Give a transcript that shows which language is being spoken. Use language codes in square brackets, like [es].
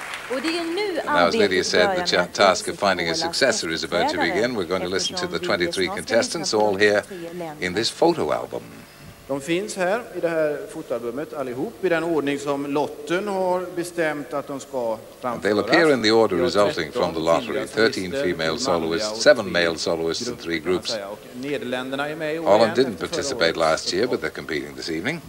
[en] And now, as Lydia said, the task of finding a successor is about to begin. We're going to listen to the 23 contestants, all here in this photo album. [sv] De finns här I det här fotoalbumet allihop I den ordning som lotten har bestämt att de ska framföras. [en] They'll appear in the order resulting from the lottery. 13 female soloists, 7 male soloists and 3 groups. [sv] Nederländerna är med. [en] Holland didn't participate last year, but they're competing this evening.